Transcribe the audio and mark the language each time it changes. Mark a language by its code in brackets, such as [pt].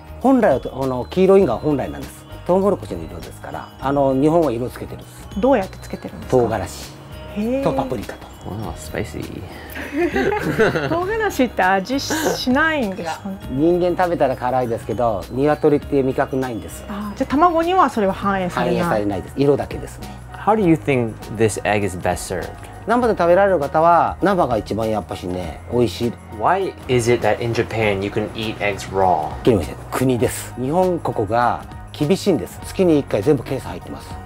[ja] 本来は黄色いのが本来なんです。トウモロコシの色ですから、日本は色つけてるんです。どうやってつけてるんですか？唐辛子とパプリカと。わー、スパイシー。唐辛子って味 しないんですか？人間食べたら辛いですけど、鶏って味覚ないんです。あ、じゃあ卵にはそれは反映されない。反映されないです。色だけですね。 [en] How do you think this egg is best served? [ja] 生で食べられる方は生が一番やっぱしね、美味しい。 [en] Why is it that in Japan you can eat eggs raw? [ja] 聞いてみて、国です。日本ここが厳しいんです。月に1回全部検査入ってます。